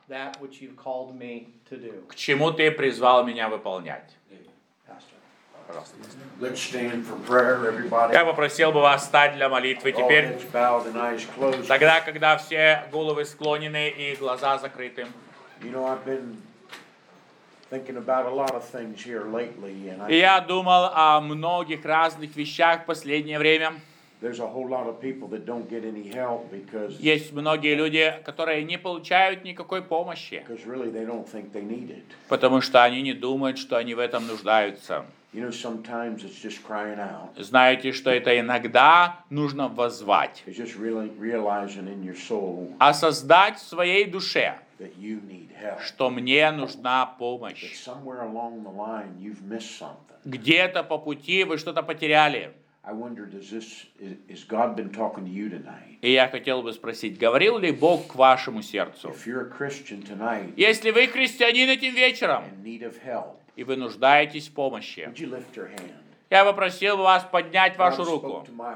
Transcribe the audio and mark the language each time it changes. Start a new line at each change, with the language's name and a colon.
English: That which you've called me to do.
Russian: К чему ты призвал меня выполнять.
English: Let's stand for prayer, everybody.
Russian: Я попросил бы вас встать для молитвы теперь.
English: All heads bowed and eyes closed.
Russian: Тогда, когда все головы склонены и глаза закрыты.
English: You know, I've been thinking about a lot of things here lately, and
Russian: я думал о многих разных вещах в последнее время.
English: There's a whole lot of people that don't get any help because
Russian: есть многие люди, которые не получают никакой помощи.
English: Because really they don't think they need it.
Russian: Потому что они не думают, что они в этом нуждаются.
English: You know, sometimes it's just crying out.
Russian: Знаете, что это иногда нужно воззвать.
English: It's just really realizing in your soul.
Russian: Осознать в своей душе,
English: that you need help.
Russian: Что мне нужна помощь.
English: That somewhere along the line you've missed something.
Russian: Где-то по пути вы что-то потеряли.
English: I wonder, has God been talking to you tonight?
Russian: И я хотел бы спросить, говорил ли Бог к вашему сердцу?
English: If you're a Christian tonight.
Russian: Если вы христианин этим вечером.
English: In need of help.
Russian: И вы нуждаетесь в помощи. Я попросил бы вас поднять вашу руку.